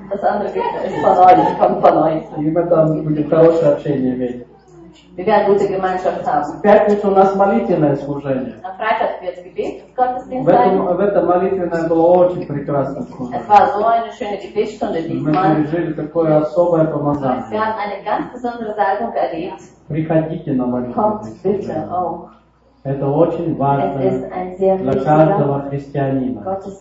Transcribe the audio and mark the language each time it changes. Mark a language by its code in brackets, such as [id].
[de] Das andere kommt von euch. [ru] И мы там будем хорошее общение иметь. [de] Wir werden gute Gemeinschaft haben. [ru] В пятницу у нас молитвенное служение. [de] Am Freitag wird gebetet. [ru] В этом молитвенное было очень прекрасно. [de] Es war so eine schöne Gebetsstunde diesmal. [ru] Мы пережили такое особое помазание. [de] Wir haben eine ganz besondere Salbung erlebt. [ru] Приходите на молитвенное служение. [de] Kommt bitte auch. [ru] Это очень важно для каждого христианина.